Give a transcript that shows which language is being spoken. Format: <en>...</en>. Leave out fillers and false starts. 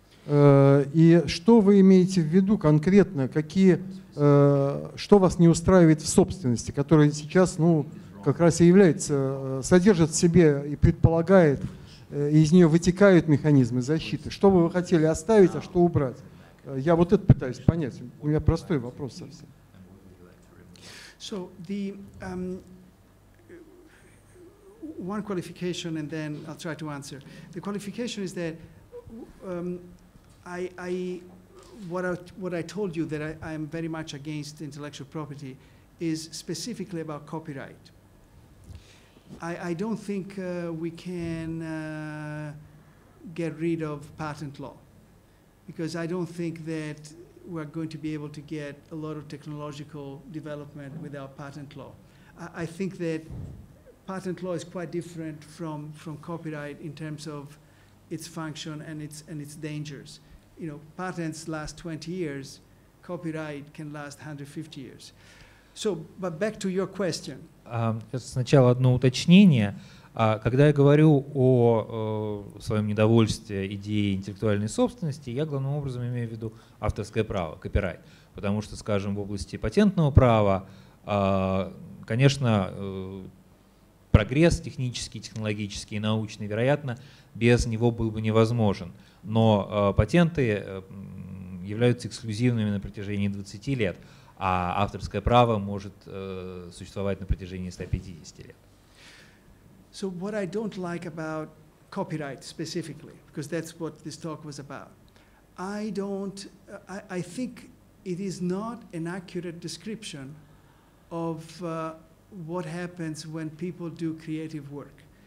<ru>И что вы имеете в виду конкретно, что вас не устраивает в собственности, которая сейчас как раз и является, содержит в себе и предполагает, и из нее вытекают механизмы защиты. Что бы вы хотели оставить, а что убрать? Я вот это пытаюсь понять. У меня простой вопрос совсем.</ru> <en>So the one qualification, and then I'll try to answer. The qualification is that what I told you that I am very much against intellectual property is specifically about copyright. I don't think we can get rid of patent law, because I don't think that we're going to be able to get a lot of technological development without patent law. I think that patent law is quite different from copyright in terms of its function and its dangers. You know, patents last 20 years, copyright can last 150 years. So, but back to your question.</en> <ru>Сначала одно уточнение. Когда я говорю о своем недовольстве идеей интеллектуальной собственности, я главным образом имею в виду авторское право, копирайт. Потому что, скажем, в области патентного права, конечно, прогресс технический, технологический и научный, вероятно, без него был бы невозможен. Но патенты являются эксклюзивными на протяжении 20 лет. А авторское право может существовать на протяжении 150 лет.</ru> <en>So what I don't like about copyright specifically, because that's what this talk was about, I think it is not an accurate description of what happens when people do creative work.</en>